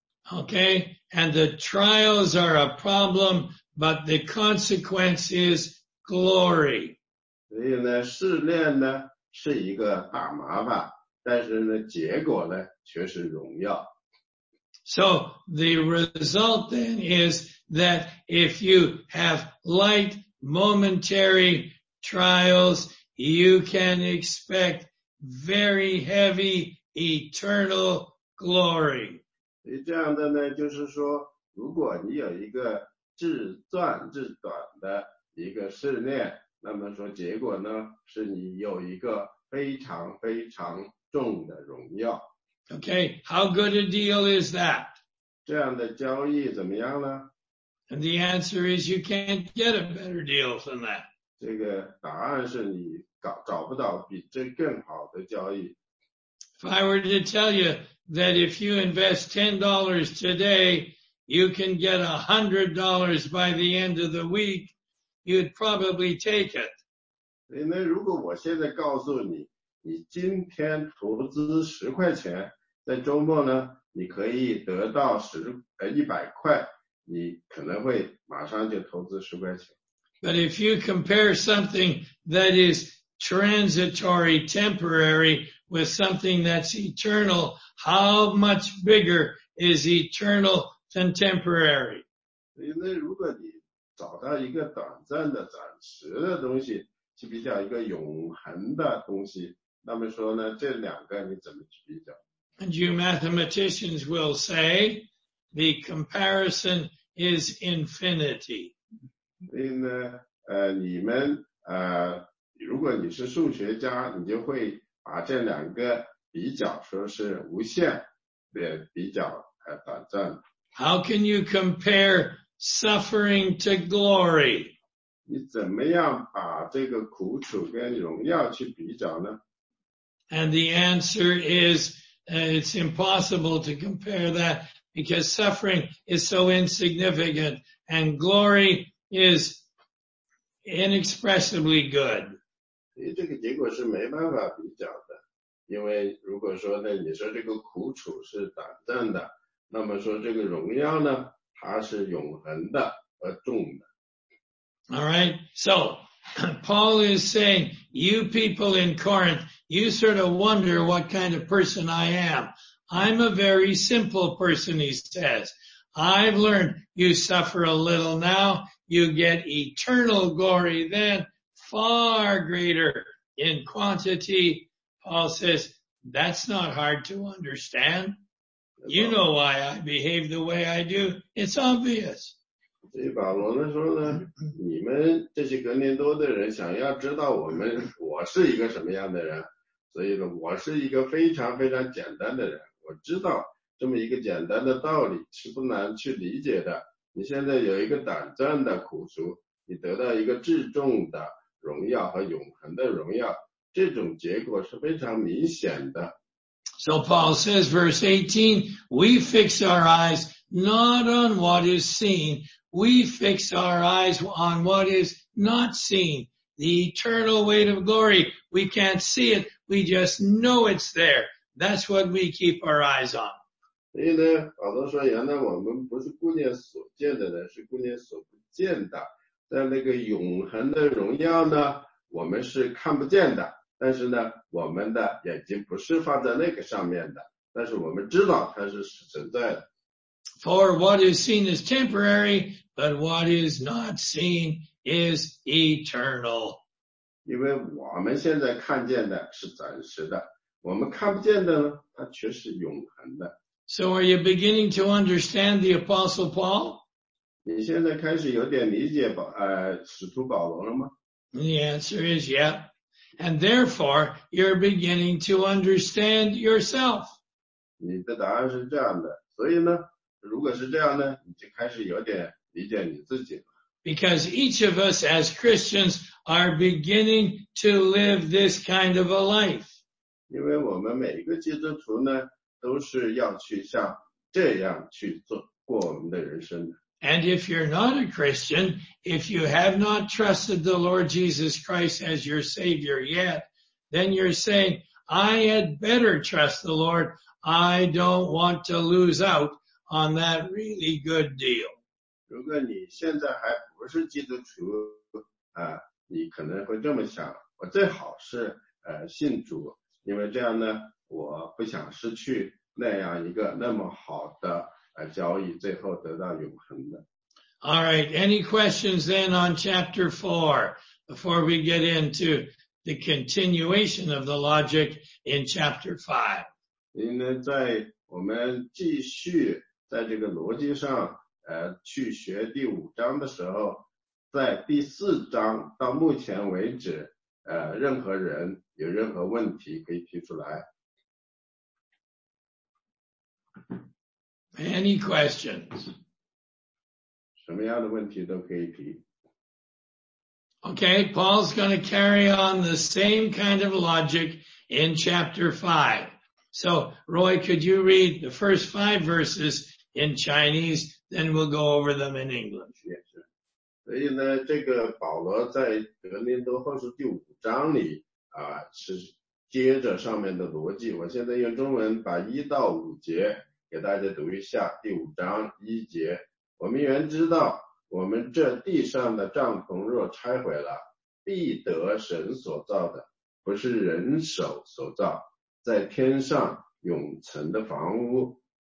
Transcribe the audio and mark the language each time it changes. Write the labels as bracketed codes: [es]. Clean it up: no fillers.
[en] Okay, and the trials are a problem, but the consequence is glory. [zh] 所以呢，试炼呢是一个大麻烦，但是呢，结果呢却是荣耀。 [en] So the result then is that if you have light momentary trials, you can expect very heavy eternal glory. [zh] 所以这样的呢，就是说，如果你有一个至短至短的一个试炼，那么说结果呢，是你有一个非常非常重的荣耀。 [en] Okay, how good a deal is that? [zh] 这样的交易怎么样呢? [en] And the answer is you can't get a better deal than that. [zh] 这个答案是你找不到比这更好的交易。 [en] If I were to tell you that if you invest $10 today, you can get $100 by the end of the week, you'd probably take it. [zh] 那如果我现在告诉你你今天投资十块钱，在周末呢，你可以得到100块，你可能会马上就投资十块钱。 [en] But if you compare something that is transitory, temporary, with something that's eternal, how much bigger is eternal than temporary? [zh] 因为如果你找到一个短暂的、暂时的东西，去比较一个永恒的东西。那么说呢，这两个你怎么去比较？ [en] And you mathematicians will say, the comparison is infinity. [zh] 所以呢，你们如果你是数学家，你就会把这两个比较，说是无限的比较短暂。 [en] How can you compare suffering to glory? [zh] 你怎么样把这个苦楚跟荣耀去比较呢？ [en] And the answer is, it's impossible to compare that because suffering is so insignificant and glory is inexpressibly good. [zh] 所以这个结果是没办法比较的，因为如果说呢，你说这个苦楚是短暂的，那么说这个荣耀呢，它是永恒的和重的。 [en] All right, so Paul is saying, you people in Corinth, you sort of wonder what kind of person I am. I'm a very simple person, he says. I've learned you suffer a little now, you get eternal glory then, far greater in quantity. Paul says, that's not hard to understand. You know why I behave the way I do. It's obvious. [zh] 所以保罗呢说呢，你们这些格林多的人想要知道我是一个什么样的人，所以呢，我是一个非常非常简单的人。我知道这么一个简单的道理是不难去理解的。你现在有一个短暂的苦楚，你得到一个至重的荣耀和永恒的荣耀，这种结果是非常明显的。 [en] So Paul says, verse 18, we fix our eyes not on what is seen, we fix our eyes on what is not seen. The eternal weight of glory, we can't see it, we just know it's there. That's what we keep our eyes on. [zh] 所以呢，保罗说，原来我们不是顾念所见的人，是顾念所不见的。在那个永恒的荣耀呢，我们是看不见的。但是呢，我们的眼睛不是放在那个上面的，但是我们知道它是存在的。 [en] For what is seen is temporary, but what is not seen is eternal. [zh] 因为我们现在看见的是暂时的，我们看不见的呢，它却是永恒的。 [en] So are you beginning to understand the Apostle Paul? [zh] 你现在开始有点理解使徒保罗了吗？ [en] The answer is yes. And therefore, you're beginning to understand yourself. [zh] 你的答案是这样的，所以呢，如果是这样呢，你就开始有点理解你自己了。 [en] Because each of us as Christians are beginning to live this kind of a life. [zh] 因为我们每一个基督徒呢，都是要去像这样去做过我们的人生的。 [en] And if you're not a Christian, if you have not trusted the Lord Jesus Christ as your Savior yet, then you're saying, I had better trust the Lord. I don't want to lose out on that really good deal. [zh] 如果你现在还不是基督徒，你可能会这么想，我最好是信主，因为这样呢，我不想失去那样一个那么好的交易，最后得到永恒的。 [en] All right, any questions then on chapter 4 before we get into the continuation of the logic in chapter 5? [zh] 您呢，在我们继续在这个逻辑上去学第五章的时候，在第四章到目前为止任何人有任何问题可以提出来。 [en] Any questions? [zh] 什么样的问题都可以提。 [en] Okay, Paul's going to carry on the same kind of logic in chapter 5. So, Roy, could you read the first 5 verses in Chinese, then we'll go over them in English. Yes, sir. [zh] 所以呢，这个保罗在格林多后书第五章里是接着上面的逻辑。我现在用中文把一到五节给大家读一下，第五章一节，我们原知道，我们这地上的帐篷若拆毁了，必得神所造的，不是人手所造，在天上永存的房屋。